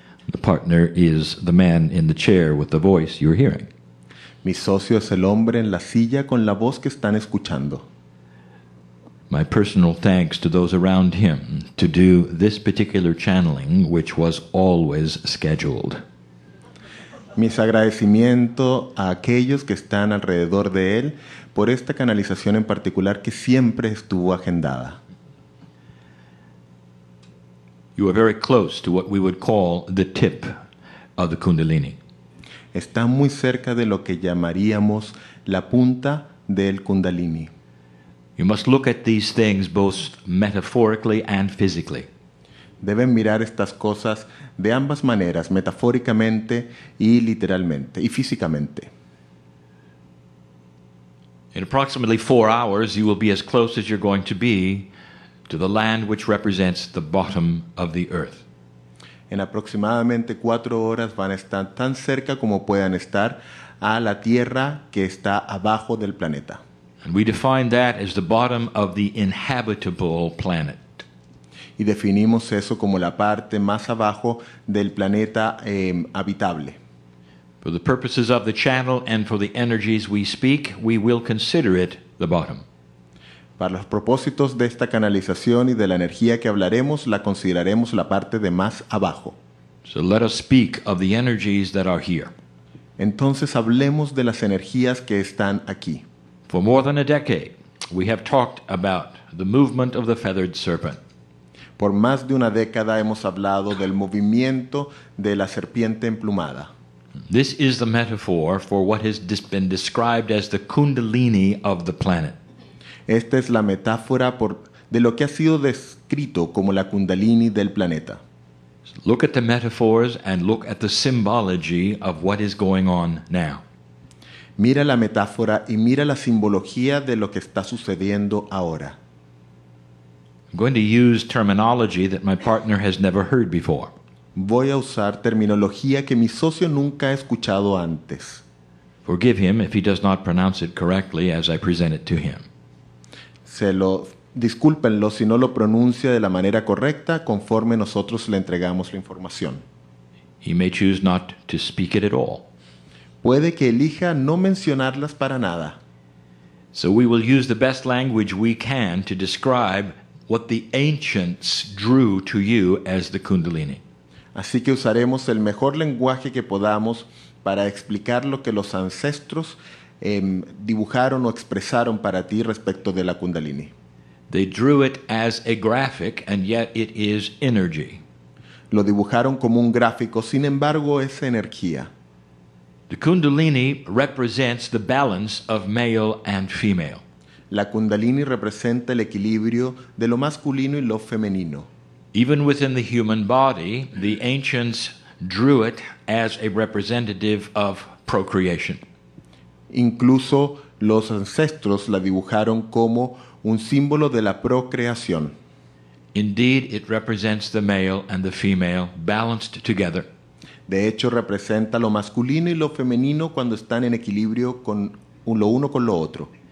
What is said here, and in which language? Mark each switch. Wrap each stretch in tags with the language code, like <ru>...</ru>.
<en>The partner is the man in the chair with the voice you're hearing.</en> <es>Mi socio es el hombre en la silla con la voz que están escuchando.</es> <en>My personal thanks to those around him to do this particular channeling, which was always scheduled.</en> <es>Mis agradecimientos a aquellos que están alrededor de él por esta canalización en particular que siempre estuvo agendada.</es> <en>You are very close to what we would call the tip of the Kundalini.</en> <es>Está muy cerca de lo que llamaríamos la punta del Kundalini.</es> <en>You must look at these things both metaphorically and physically.</en> <es>Deben mirar estas cosas de ambas maneras, metafóricamente y literalmente, y físicamente.</es> <en>In approximately 4 hours, you will be as close as you're going to be to the land which represents the bottom of the earth.</en> <es>En aproximadamente 4 horas van a estar tan cerca como puedan estar a la tierra que está abajo del planeta.</es> <en>And we define that as the bottom of the inhabitable planet.</en> <es>Y definimos eso como la parte más abajo del planeta habitable.</es> <en>For the purposes of the channel and for the energies we speak, we will consider it the bottom.</en> <es>Para los propósitos de esta canalización y de la energía que hablaremos, la consideraremos la parte de más abajo.</es> <en>So let us speak of the energies that are here.</en> <es>Entonces hablemos de las energías que están aquí.</es> <en>For more than a decade, we have talked about the movement of the feathered serpent.</en> <es>Por más de una década hemos hablado del movimiento de la serpiente emplumada.</es> <en>This is the metaphor for what has been described as the Kundalini of the planet.</en> <es>Esta es la metáfora de lo que ha sido descrito como la Kundalini del planeta.</es> <en>Look at the metaphors and look at the symbology of what is going on now.</en> <es>Mira la metáfora y mira la simbología de lo que está sucediendo ahora.</es> <en>I'm going to use terminology that my partner has never heard before.</en> <es>Voy a usar terminología que mi socio nunca ha escuchado antes.</es> <en>Forgive him if he does not pronounce it correctly as I present it to him.</en> <es>Discúlpenlo si no lo pronuncia de la manera correcta conforme nosotros le entregamos la información.</es> <en>He may choose not to speak it at all.</en> <es>Puede que elija no mencionarlas para nada.</es> <en>So we will use the best language we can to describe what the ancients drew to you as the Kundalini.</en> <es>Así que usaremos el mejor lenguaje que podamos para explicar lo que los ancestros dibujaron o expresaron para ti respecto de la Kundalini.</es> <en>They drew it as a graphic, and yet it is energy.</en> <es>Lo dibujaron como un gráfico, sin embargo, es energía.</es> <en>The Kundalini represents the balance of male and female.</en> <es>La Kundalini representa el equilibrio de lo masculino y lo femenino.</es> <en>Even within the human body, the ancients drew it as a representative of procreation.</en> <es>Incluso los ancestros la dibujaron como un símbolo de la procreación.</es> <en>Indeed, it represents the male and the female balanced together.</en> <es>De hecho, representa lo masculino y lo femenino cuando están en equilibrio con lo uno con lo otro.</es>